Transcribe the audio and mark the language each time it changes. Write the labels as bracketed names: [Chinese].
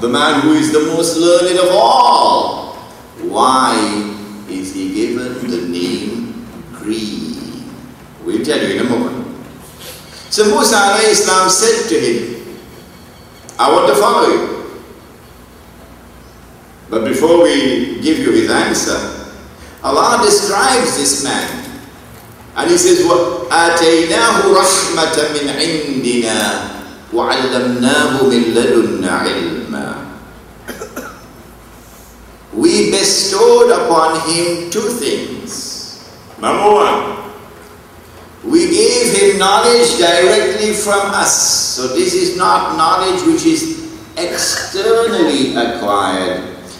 [English] The man who is the most learned of all. Why is he given the name Green? will tell you in a moment. So Musa alayhi salam said to him, I want to follow you. But before we give you his answer, Allah describes this man. And he says, [Arabic] وَآتَيْنَاهُ رَحْمَةً مِنْ عِنْدِنَا وَعَلَّمْنَاهُ مِنْ لَدُنَّ عِلْمًا. [English] We bestowed upon him two things. Number one, we gave him knowledge directly from us. So this is not knowledge which is externally acquired.